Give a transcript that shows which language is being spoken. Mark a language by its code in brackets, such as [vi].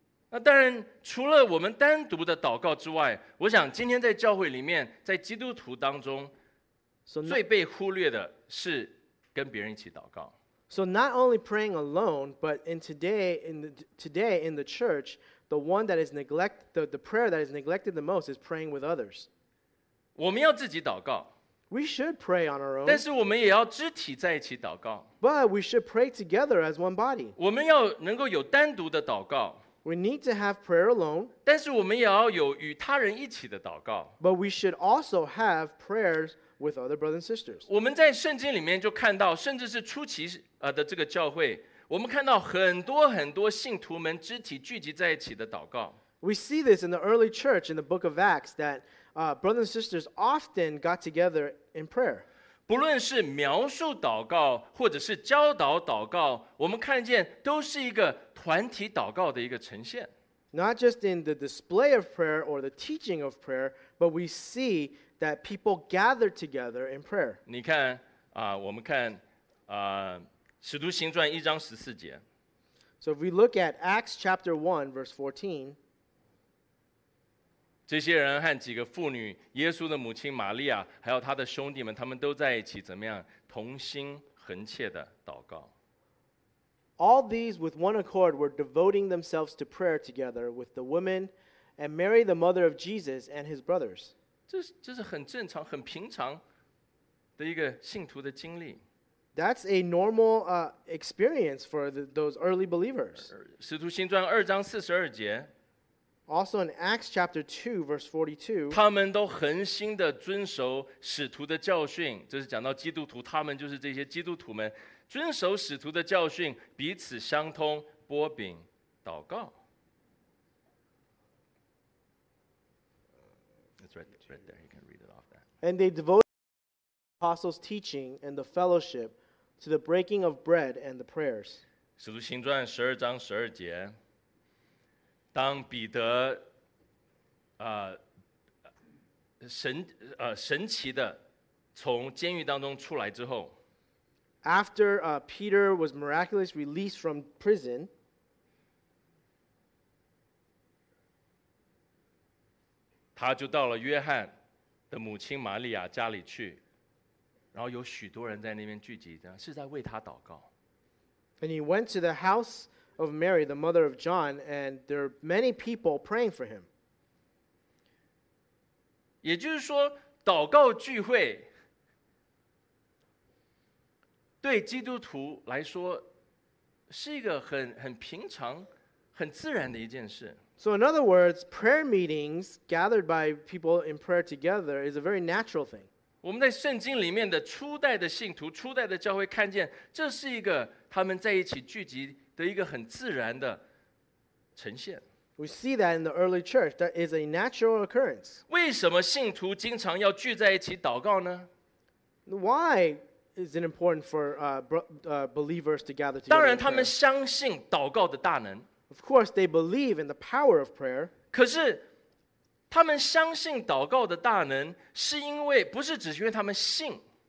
[zh] 那当然，除了我们单独的祷告之外，我想今天在教会里面，在基督徒当中，最被忽略的是跟别人一起祷告。 [en] So not only praying alone, but today in the church, the prayer that is neglected the most is praying with others. [zh] 我们要自己祷告。 [en] We should pray on our own. [zh] 但是我们也要肢体在一起祷告。 [en] But we should pray together as one body. [zh] 我们要能够有单独的祷告。 [en] We need to have prayer alone. [zh] 但是我们也要有与他人一起的祷告。 [en] But we should also have prayers with other brothers and sisters. [zh] 我们在圣经里面就看到，甚至是初期的这个教会，我们看到很多很多信徒们肢体聚集在一起的祷告。 [en] We see this in the early church in the book of Acts that brothers and sisters often got together in prayer. [zh] 不论是描述祷告或者是教导祷告，我们看见都是一个团体祷告的一个呈现。 [en] Not just in the display of prayer or the teaching of prayer, but we see that people gather together in prayer. [zh] 你看啊，我们看啊，使徒行传一章十四节。 [en] So if we look at Acts chapter 1 verse 14. [zh] 这些人和几个妇女，耶稣的母亲玛利亚，还有他的兄弟们，他们都在一起，怎么样？同心恒切的祷告。 [en] All these with one accord were devoting themselves to prayer together with the women and Mary, the mother of Jesus, and his brothers. [zh] 这是很正常、很平常的一个信徒的经历。 [en] That's a normal experience for those early believers. [zh] 使徒行传二章四十二节。 [en] Also in Acts chapter 2 verse 42, [zh] 他们都恒心地遵守使徒的教训，这是讲到基督徒，他们就是这些基督徒们，遵守使徒的教训，彼此相通，擘饼祷告。 [en] That's right there, you can read it off that. And they devoted the apostles' teaching and the fellowship to the breaking of bread and the prayers. [zh] 使徒行传十二章十二节，当彼得神奇的从监狱当中出来之后， [en] After Peter was miraculously released from prison, [zh] 他就到了约翰的母亲玛利亚家里去，然后有许多人在那边聚集，是在为他祷告。 [en] And he went to the house of Mary, the mother of John, and there are many people praying for him. [zh] 也就是说，祷告聚会对基督徒来说是一个很平常、很自然的一件事。 [en] So in other words, prayer meetings gathered by people in prayer together is a very natural thing. [zh] 我们在圣经里面的初代的信徒、初代的教会看见，这是一个他们在一起聚集的一个很自然的呈现。 [en] We see that in the early church, that is a natural occurrence. [zh] 为什么信徒经常要聚在一起祷告呢？ [en] Why is it important for believers to gather together? [zh] 当然他们相信祷告的大能。 [en] Of course, they believe in the power of prayer. [zh] 可是他们相信祷告的大能是因为，不是只是因为他们信。